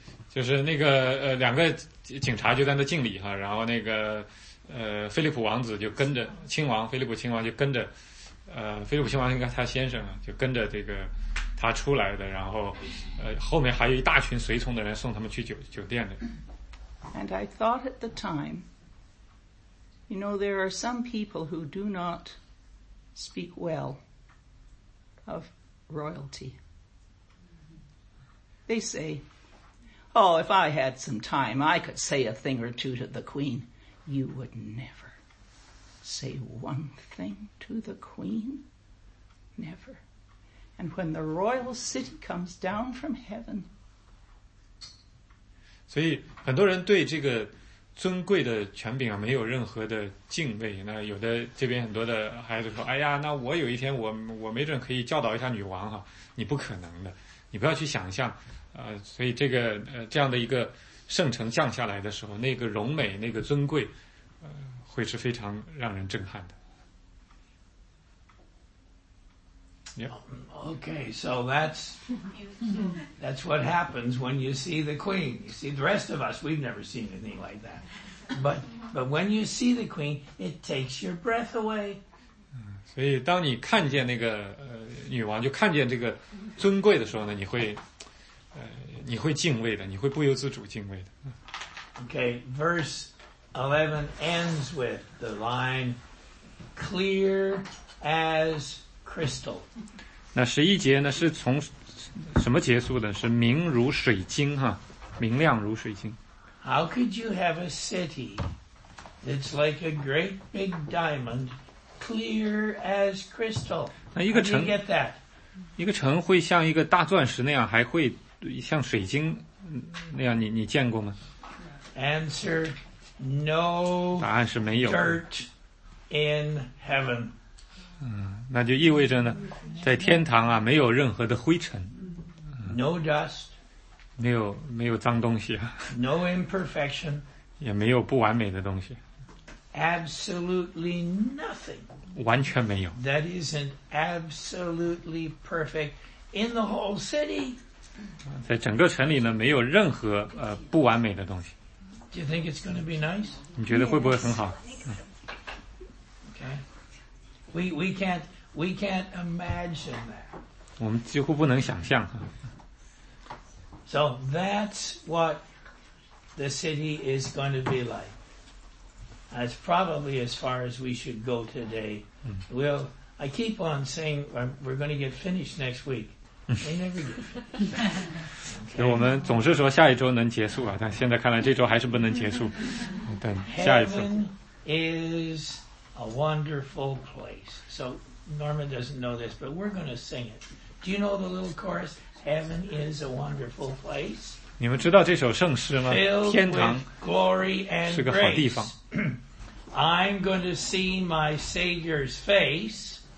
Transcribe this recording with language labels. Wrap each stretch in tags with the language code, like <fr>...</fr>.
<zh>就是那个两个警察就在那敬礼哈，然后那个菲利普王子就跟着亲王，菲利普亲王就跟着菲利普亲王应该他先生就跟着这个他出来的，然后后面还有一大群随从的人送他们去酒店的。</zh> <en>And I thought at the time, you know, there are some people who do not speak well of royalty. They say, oh, if I had some time, I could say a thing or two to the queen. You would never say one thing to the queen. Never. And when the royal city comes down from heaven.</en> <zh>所以很多人对这个尊贵的权柄啊没有任何的敬畏。那有的这边很多的孩子说，哎呀，那我有一天我没准可以教导一下女王哈、你不可能的。你不要去想象所以这个这样的一个圣城降下来的时候，那个荣美，那个尊贵会是非常让人震撼的。</zh> <en>Yeah. Okay, so that's what happens when you see the queen. You see, the rest of us, we've never seen anything like that. But when you see the queen, it takes your breath away.</en> <zh>所以当你看见那个女王，就看见这个尊贵的时候呢，你会敬畏的，你会不由自主敬畏的。</zh> <en>Okay, verse 11 ends with the line, clear as crystal.</en> <zh>那十一节呢是从什么结束的？是明如水晶哈，明亮如水晶。</zh> <en>How could you have a city that's like a great big diamond, clear as crystal?</en> <zh>那一个城</zh> <en>get that?</en> <zh>一个城会像一个大钻石那样，还会像水晶那样？你见过吗</zh> <en>？Answer: No.</en> <zh>答案是没有。</zh> <en>Dirt in heaven.</en> <zh>嗯，那就意味着呢，在天堂啊，没有任何的灰尘。</zh> <en>No dust.</en> <zh>没有脏东西啊。</zh> <en>No imperfection.</en> <zh>也没有不完美的东西。</zh> <en>Absolutely nothing.</en> <zh>完全没有。</zh> <en>That isn't absolutely perfect in the whole city.</en> <zh>在整个城里呢，没有任何不完美的东西。</zh> <en>Do you think it's going to be nice?</en> <zh>你觉得会不会很好？</zh> <en>Okay. We can't imagine that.</en> <zh>我们几乎不能想象。</zh> <en>So that's what the city is going to be like. That's probably as far as we should go today. Well, I keep on saying we're going to get finished next week. They never get finished.</en> <zh>我们总是说下一周能结束啊，但现在看来这周还是不能结束。等下一周。</zh> <en>Heaven is a wonderful place. So Norman doesn't know this, but we're going to sing it. Do you know the little chorus? Heaven is a wonderful place.</en> <zh>你们知道这首圣诗吗？天堂</zh> <en>glory and</en> <zh>是个好地方。</zh> <en>I'm going to see my Savior's face.</en>